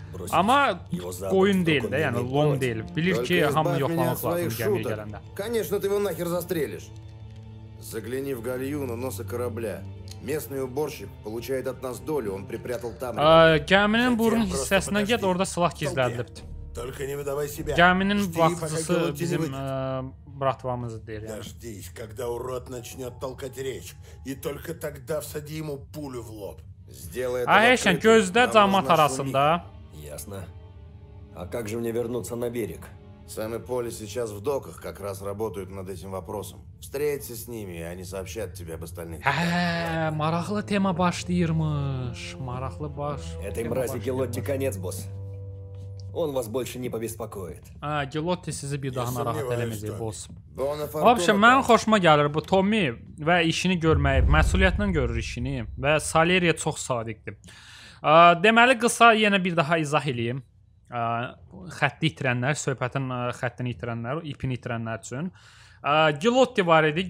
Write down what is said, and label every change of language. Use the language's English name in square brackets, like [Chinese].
[Azerbaijani] Amma qoyun deyil də, yəni lom deyil. Bilir ki, hamı yoxlamaq lazım gəmiyə gələndə. [Russian] Конечно, ты его нахер застрелишь. Загляни в гальюн у носа корабля. Местный уборщик получает от нас долю, он припрятал там... [Azerbaijani] Gəminin burun hissəsinə get, orada silah gizlədilibdir. Gəminin vaxtısı bizim bratvamızdır, yəni. [Russian] Дождись, когда урод начнёт толкать речь, и только тогда всади ему пулю в лоб. [Azerbaijani] Heşən, gözdə camat arasında. [Russian] Ясно. А как же мне вернуться на берег? Сами поле сейчас в доках, как раз работают над этим вопросом. Встреться с ними, и они сообщат тебе об остальных. [Azerbaijani] Maraqlı tema başlayırmış. Maraqlı baş. [Russian] Этой мрази Гилотти конец, босс. Он вас больше не побеспокоит. [Azerbaijani] Gilotti sizi bir daha narahat eləməyəcək, boss. Babşı, mənim xoşuma gəlir bu Tommy və işini görməyib. Məsuliyyətlə görür işini və Saleriyə çox sadiqdir. Deməli, qısa yenə bir daha izah edeyim. Xətti itirənlər, söhbətin xəttini itirənlər, ipini itirənlər üçün. Gilotti var idi.